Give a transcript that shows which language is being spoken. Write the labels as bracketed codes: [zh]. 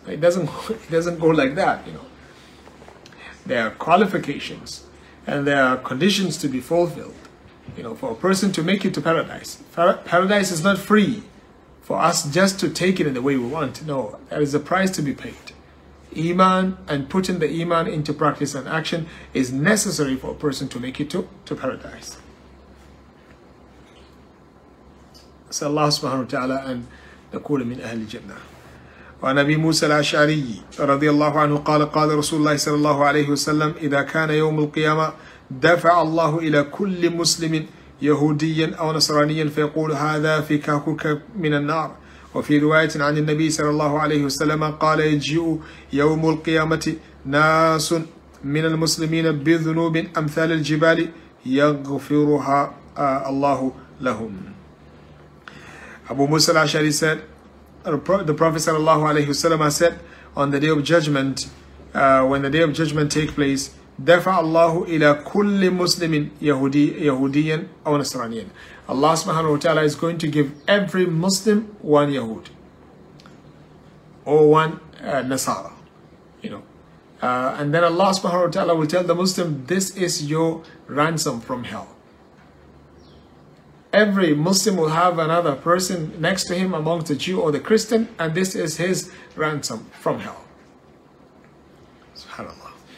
[en] It doesn't go like that, you know. There are qualifications and there are conditions to be fulfilled, you know, for a person to make it to paradise. Paradise is not free for us just to take it in the way we want. No, there is a price to be paid. Iman and putting the Iman into practice and action is necessary for a person to make it to paradise. [ar] صلى الله سبحانه وتعالى أن نكون من أهل الجنة. وعن أبي موسى الأشعري رضي الله عنه قال قال رسول الله صلى الله عليه وسلم إذا كان يوم القيامة دفع الله إلى كل مسلم يهوديا أو نصرانيا فيقول هذا في كهكك من النار. وفي رواية عن النبي صلى الله عليه وسلم قال يجيء يوم القيامة ناس من المسلمين بذنوب أمثال الجبال يغفرها الله لهم. [en] Abu Musa al-Ash'ari said, the Prophet sallallahu alayhi wa sallam said, on the day of judgment, when the day of judgment takes place, [ar] دفع الله إلى كل مسلم يهودي أو نصراني. [en] Allah subhanahu wa ta'ala is going to give every Muslim one Yahud or one Nasara, you know. And then Allah subhanahu wa ta'ala will tell the Muslim, this is your ransom from hell. Every Muslim will have another person next to him amongst the Jew or the Christian, and this is his ransom from hell. Subhanallah.